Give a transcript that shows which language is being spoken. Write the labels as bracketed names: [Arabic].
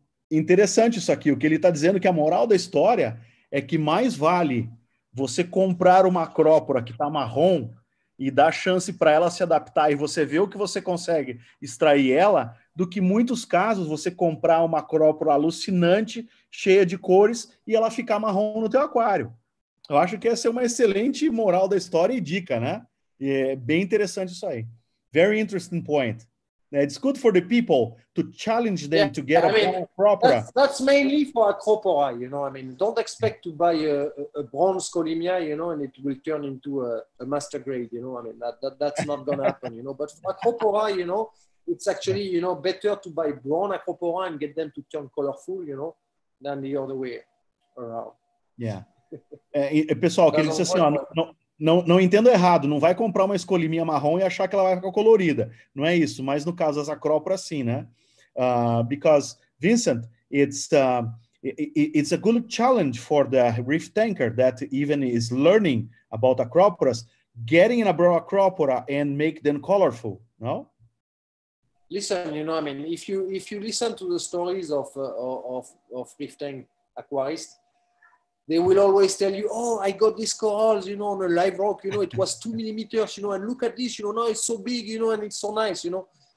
[Portuguese] Interessante isso aqui, o que ele está dizendo, que a moral da história é que mais vale você comprar uma acrópora que está marrom e dar chance para ela se adaptar e você ver o que você consegue extrair ela, do que muitos casos você comprar uma acrópora alucinante, cheia de cores, e ela ficar marrom no teu aquário. Eu acho que essa é uma excelente moral da história e dica, né? E é bem interessante isso aí. [English] Very interesting point. It's good for the people to challenge them to get a proper. That's mainly for Acropora, you know. I mean, don't expect to buy a bronze Colimia, you know, and it will turn into a master grade, you know. I mean, that's not going to happen, you know. But for Acropora, you know, it's actually, you know, better to buy bronze Acropora and get them to turn colorful, you know, than the other way around. Yeah. [Portuguese] Pessoal, que ele disse assim, não entendo errado, não vai comprar uma escolinha marrom e achar que ela vai ficar colorida. Não é isso, mas no caso das acrópora, sim, né? [English] Because, Vincent, it's a good challenge for the reef tanker that even is learning about acroporas, getting in a brown acropora and make them colorful, no? Listen, you know, I mean, if you listen to the stories of reef tank aquarists, they will always tell you, oh, I got these corals, you know, on a live rock, you know, it was 2 millimeters, you know, and look at this, you know, now it's so big, you know, and it's so nice, you know.